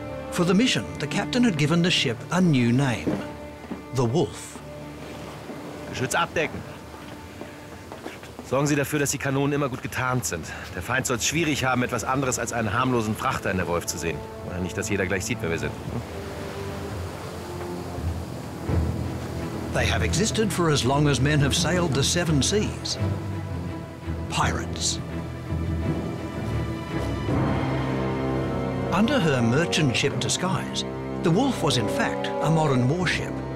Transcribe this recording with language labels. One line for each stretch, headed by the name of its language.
English: For the mission, the captain had given the ship a new name, the Wolf.
German: Geschütz abdecken. Sorgen Sie dafür, dass die Kanonen immer gut getarnt sind. Der Feind soll es schwierig haben, etwas anderes als einen harmlosen Frachter in der Wolf zu sehen. Nicht, dass jeder gleich sieht, wer wir sind.
English: They have existed for as long as men have sailed the seven seas. Pirates. Under her merchant ship disguise, the Wolf was in fact a modern warship.